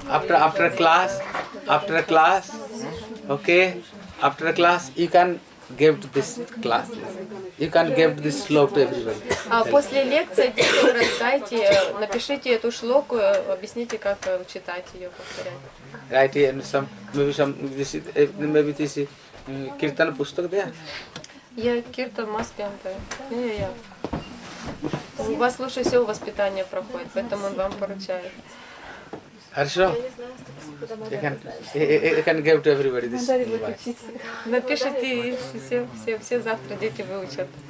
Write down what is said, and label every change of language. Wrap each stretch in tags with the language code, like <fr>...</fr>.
<en>After class, okay, after class, you can give this class. You can give this shloka to everybody.</en> <ru>После лекции детям расскажите, напишите эту шлоку, объясните, как читать ее, повторять.</ru> <en>Right, and maybe this is Kirtan Pustak there? Yeah, Kirtan Maspian there. Yeah.</en> <ru>У вас лучше всего воспитание проходит, поэтому он вам поручает. Хорошо.</ru> <en>You can give to everybody this advice.</en> <ru>Напишите, и все завтра дети выучат.</ru>